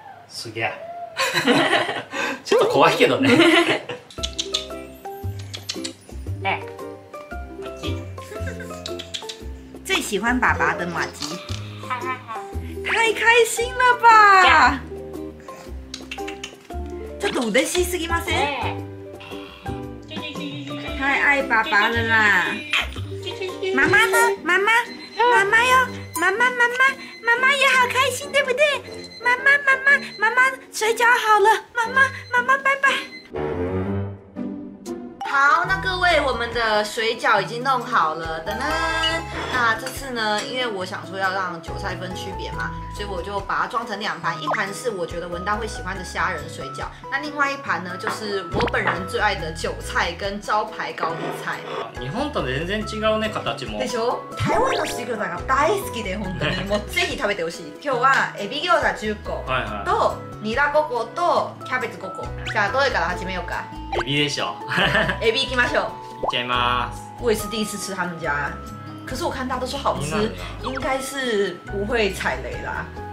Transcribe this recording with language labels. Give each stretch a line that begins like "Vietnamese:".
Japanese: すげえ。ちょっと怖いけどね。
Chinese: 最喜欢爸爸的马吉，太开心了吧！
Japanese: ちょっと嬉しすぎません？
Chinese: 太爱爸爸了啦！妈妈呢？妈妈，妈妈哟！妈妈，妈妈，妈妈也好开心，对不对？妈妈，妈妈，妈妈，水饺好了，妈妈，妈妈，拜拜。好，那各位，我们的水饺已经弄好了，噔噔。那这次呢，因为我想说要让韭菜分区别嘛，所以我就把它装成两盘，一盘是我觉得文丹会喜欢的虾仁水饺，那另外一盘呢，就是我本人最爱的韭菜跟招牌高丽菜。
Japanese: 日本と全然違うね、形も。でしょ？台湾の水餃子が大好きで本当に、もうぜひ食べてほしい。今日はエビ餃子10個とニラ5個とキャベツ5個。じゃあどれから始めようか。エビでしょ。エビ行きましょう。行っちゃいます。
Chinese: 我也是第一次吃他们家。可是我看大家都说好吃，应该是不会踩雷啦。